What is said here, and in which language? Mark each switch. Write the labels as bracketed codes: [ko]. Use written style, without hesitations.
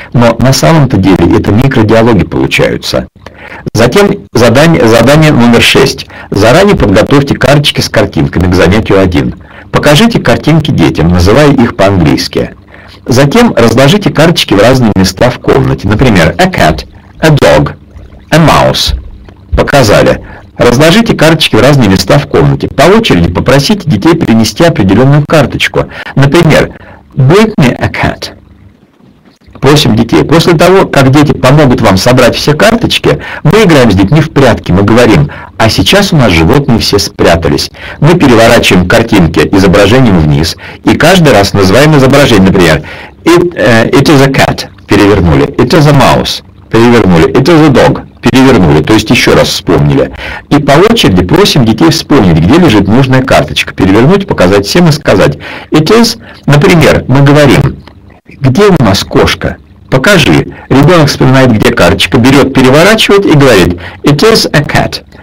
[ru] Но на самом-то деле это микродиалоги получаются. Затем задание номер 6. Заранее подготовьте карточки с картинками к занятию 1. Покажите картинки детям, называя их по-английски. Затем разложите карточки в разные места в комнате. Например, [en] a cat, a dog, a mouse. [ru] Показали. Разложите карточки в разные места в комнате. По очереди попросите детей принести определенную карточку. Например, [en] bring me a cat. [ru] Просим детей. После того, как дети помогут вам собрать все карточки, мы играем с детьми в прятки. Мы говорим, а сейчас у нас животные все спрятались. Мы переворачиваем картинки изображением вниз и каждый раз называем изображение. Например, [en] it is a cat. [ru] Перевернули. [en] It is a mouse. Перевернули. It is a dog. Перевернули. [ru] То есть еще раз вспомнили. И по очереди просим детей вспомнить, где лежит нужная карточка. Перевернуть, показать всем и сказать. [en] It is, [ru] например, мы говорим, где у нас кошка? Покажи. Ребенок вспоминает, где карточка, берет, переворачивает и говорит [en] «It is a cat».